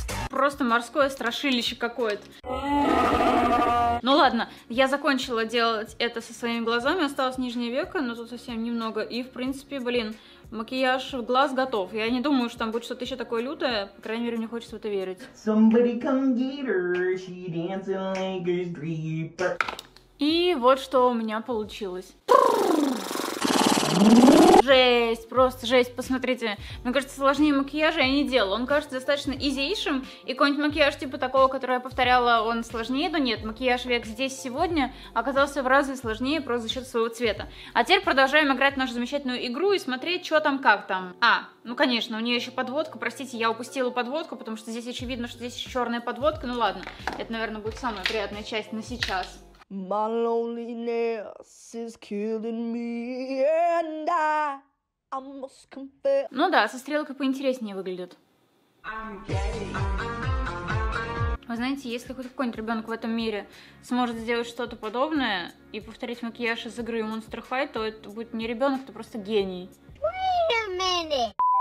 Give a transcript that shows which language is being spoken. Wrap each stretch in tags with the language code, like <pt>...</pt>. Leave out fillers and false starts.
<ru>Просто морское страшилище какое-то. Ну ладно, я закончила делать это со своими глазами, осталось нижнее веко, но тут совсем немного. И в принципе, блин, макияж в глаз готов. Я не думаю, что там будет что-то еще такое лютое, по крайней мере, мне хочется в это верить.</ru> <en>Somebody come get her, she dancing like a stripper.</en> <ru>И вот что у меня получилось. Жесть, просто жесть, посмотрите. Мне кажется, сложнее макияжа я не делала. Он кажется достаточно изейшим. И какой-нибудь макияж типа такого, который я повторяла, он сложнее, но нет, макияж век здесь сегодня оказался в разы сложнее просто за счет своего цвета. А теперь продолжаем играть в нашу замечательную игру и смотреть, что там, как там. А, ну конечно, у нее еще подводка. Простите, я упустила подводку, потому что здесь очевидно, что здесь еще черная подводка. Ну ладно, это, наверное, будет самая приятная часть на сейчас.</ru> <en>My loneliness is killing me, and I must confess.</en> <ru>Ну да, со стрелкой поинтереснее выглядит. Вы знаете, если хоть какой-нибудь ребенок в этом мире сможет сделать что-то подобное и повторить макияж из игры Monster High, то это будет не ребенок, это просто гений.</ru> <en>Wait a minute.</en>